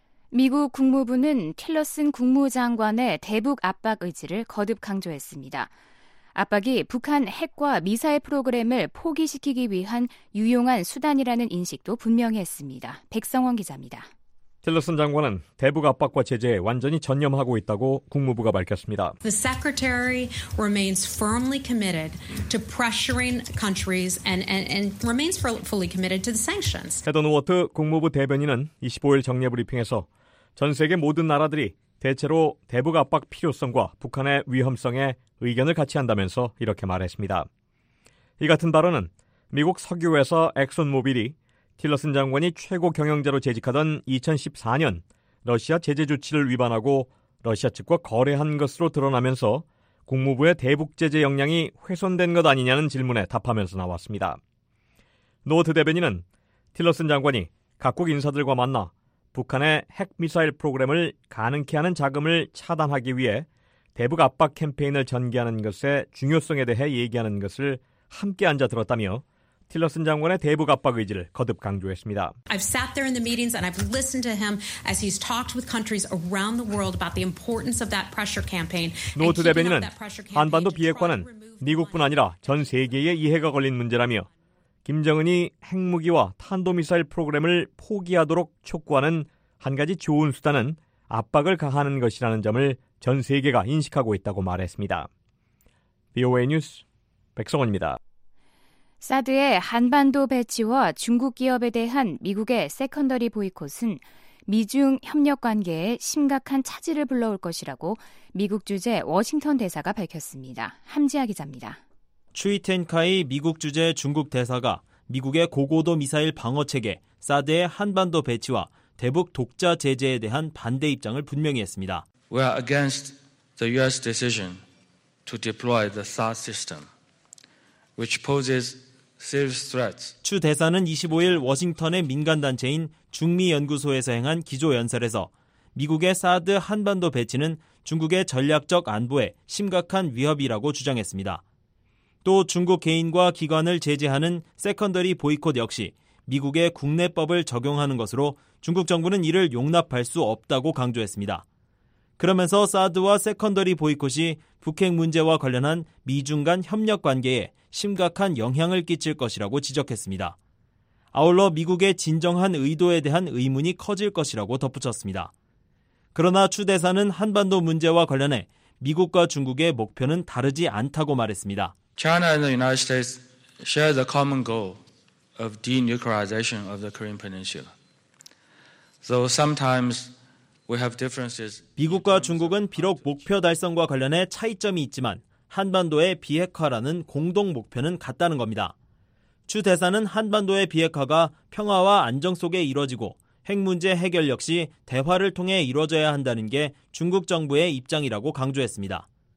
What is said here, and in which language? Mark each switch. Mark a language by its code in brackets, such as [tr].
[ko] 미국 국무부는 틸러슨 국무장관의 대북 압박 의지를 거듭 강조했습니다. 압박이 북한 핵과 미사일 프로그램을 포기시키기 위한 유용한 수단이라는 인식도 분명히 했습니다. 백성원 기자입니다. 틸러슨 장관은 대북 압박과 제재에 완전히 전념하고 있다고 국무부가 밝혔습니다. [en] The secretary remains firmly committed to pressuring countries and remains fully committed to the sanctions. [ko] 헤던 워트 국무부 대변인은 25일 정례 브리핑에서 전 세계 모든 나라들이 대체로 대북 압박 필요성과 북한의 위험성에 의견을 같이 한다면서 이렇게 말했습니다. 이 같은 발언은 미국 석유회사 엑슨모빌이 틸러슨 장관이 최고 경영자로 재직하던 2014년 러시아 제재 조치를 위반하고 러시아 측과 거래한 것으로 드러나면서 국무부의 대북 제재 역량이 훼손된 것 아니냐는 질문에 답하면서 나왔습니다. 노트 대변인은 틸러슨 장관이 각국 인사들과 만나 북한의 핵미사일 프로그램을 가능케 하는 자금을 차단하기 위해 대북 압박 캠페인을 전개하는 것의 중요성에 대해 얘기하는 것을 함께 앉아 들었다며 틸러슨 장관의 대북 압박 의지를 거듭 강조했습니다. [en] I've sat there in the meetings and I've listened to him as he's talked with countries around the world about the importance of that pressure campaign. [ko] 노트 대변인은 한반도 비핵화는 미국뿐 아니라 전 세계에 이해가 걸린 문제라며 김정은이 핵무기와 탄도미사일 프로그램을 포기하도록 촉구하는 한 가지 좋은 수단은 압박을 가하는 것이라는 점을 전 세계가 인식하고 있다고 말했습니다. VOA 뉴스 백성원입니다. 사드의 한반도 배치와 중국 기업에 대한 미국의 세컨더리 보이콧은 미중 협력 관계에 심각한 차질을 불러올 것이라고 미국 주재 워싱턴 대사가 밝혔습니다. 함지아 기자입니다. 추이 텐카이 미국 주재 중국 대사가 미국의 고고도 미사일 방어체계 사드의 한반도 배치와 대북 독자 제재에 대한 반대 입장을 분명히 했습니다. [en] We are against the U.S. decision to deploy the SAR system, which poses serious threats. [ko] 추 대사는 25일 워싱턴의 민간단체인 중미연구소에서 행한 기조연설에서 미국의 사드 한반도 배치는 중국의 전략적 안보에 심각한 위협이라고 주장했습니다. 또 중국 개인과 기관을 제재하는 세컨더리 보이콧 역시 미국의 국내법을 적용하는 것으로 중국 정부는 이를 용납할 수 없다고 강조했습니다. 그러면서 사드와 세컨더리 보이콧이 북핵 문제와 관련한 미중 간 협력 관계에 심각한 영향을 끼칠 것이라고 지적했습니다. 아울러 미국의 진정한 의도에 대한 의문이 커질 것이라고 덧붙였습니다. 그러나 추 대사는 한반도 문제와 관련해 미국과 중국의 목표는 다르지 않다고 말했습니다. [en] China and the United States share the common goal of denuclearization of the Korean Peninsula. So sometimes we have differences. [ko] 미국과 중국은 비록 목표 달성과 관련해 차이점이 있지만 한반도의 비핵화라는 공동 목표는 같다는 겁니다. 추 대사는 한반도의 비핵화가 평화와 안정 속에 이뤄지고 핵 문제 해결 역시 대화를 통해 이뤄져야 한다는 게 중국 정부의 입장이라고 강조했습니다.